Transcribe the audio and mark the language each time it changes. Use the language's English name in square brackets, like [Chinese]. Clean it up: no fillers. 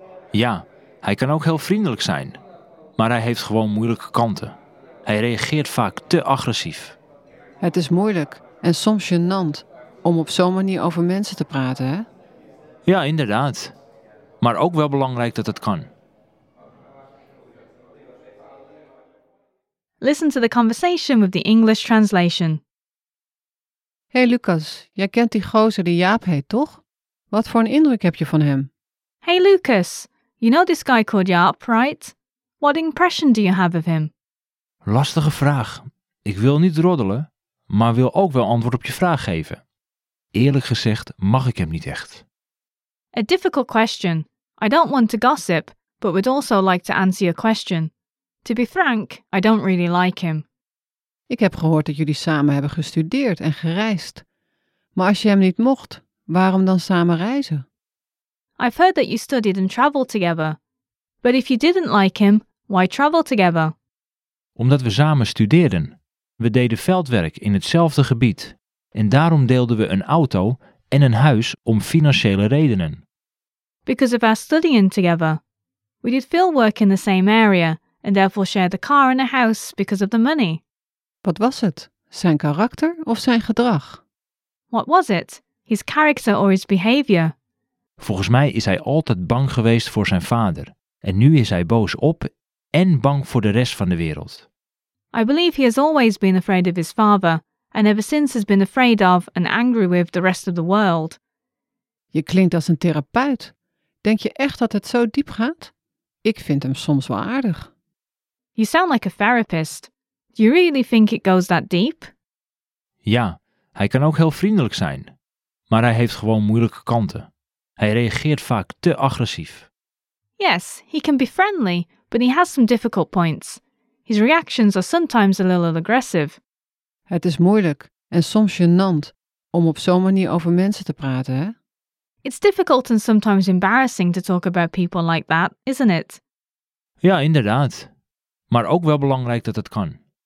[Dutch] Ja, hij kan ook heel vriendelijk zijn. Maar hij heeft gewoon moeilijke kanten. Hij reageert vaak te agressief. Het is moeilijk en soms gênant om op zo'n manier over mensen te praten, hè? Ja, inderdaad. Maar ook wel belangrijk dat het kan. [English] Listen to the conversation with the English translation. [Dutch] Hey Lucas, jij kent die gozer die Jaap heet, toch? Wat voor een indruk heb je van hem? [English] Hey Lucas, you know this guy called Jaap, right? What impression do you have of him? [Dutch] Lastige vraag. Ik wil niet roddelen, maar wil ook wel antwoord op je vraag geven. Eerlijk gezegd mag ik hem niet echt. [English] A difficult question. I don't want to gossip, but would also like to answer your question. To be frank, I don't really like him. [Dutch] Ik heb gehoord dat jullie samen hebben gestudeerd en gereisd. Maar als je hem niet mocht, waarom dan samen reizen? [English] I've heard that you studied and traveled together. But if you didn't like him, why travel together? [Dutch] Omdat we samen studeerden. We deden veldwerk in hetzelfde gebied. En daarom deelden we een auto en een huis om financiële redenen. [English] Because of our studying together. We did field work in the same area and therefore shared a car and a house because of the money. [Dutch] Wat was het? Zijn karakter of zijn gedrag? [English] What was it? His character or his behavior? [Dutch] Volgens mij is hij altijd bang geweest voor zijn vader. En nu is hij boos op en bang voor de rest van de wereld. [English] I believe he has always been afraid of his father and ever since has been afraid of and angry with the rest of the world. [Dutch] Je klinkt als een therapeut. Denk je echt dat het zo diep gaat? Ik vind hem soms wel aardig. [English] You sound like a therapist. Do you really think it goes that deep? [Dutch] Ja, hij kan ook heel vriendelijk zijn. Maar hij heeft gewoon moeilijke kanten. Hij reageert vaak te agressief. [English] Yes, he can be friendly, but he has some difficult points. His reactions are sometimes a little aggressive. [Dutch] Het is moeilijk en soms gênant om op zo'n manier over mensen te praten, hè? [English] It's difficult and sometimes embarrassing to talk about people like that, isn't it? [Dutch] Ja, inderdaad. Maar ook wel belangrijk dat het kan.